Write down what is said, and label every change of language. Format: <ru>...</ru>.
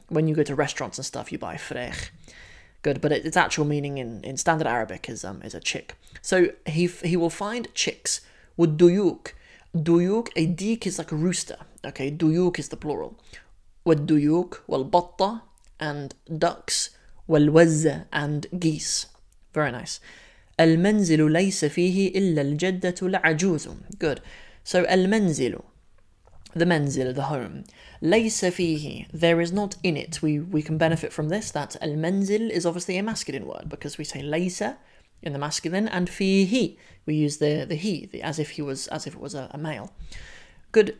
<en>When you go to restaurants and stuff, you buy فريخ. Good, but its actual meaning in standard Arabic is a chick. So he will find chicks. والديوك. ديوك, a ديك is like a rooster. Okay, ديوك is the plural.</en> <ar>والديوك والبطة</ar> <en>and ducks. والوزة and geese. Very nice.</en> <ar>المنزل ليس فيه إلا الجدة العجوز.</ar> <en>Good. So المنزل, the منزل, the home.</en> <ar>ليس فيه,</ar> <en>there is not in it. We can benefit from this, that المنزل is obviously a masculine word, because we say ليس in the masculine, and فيه, we use the he, the, as if it was a male. Good.</en>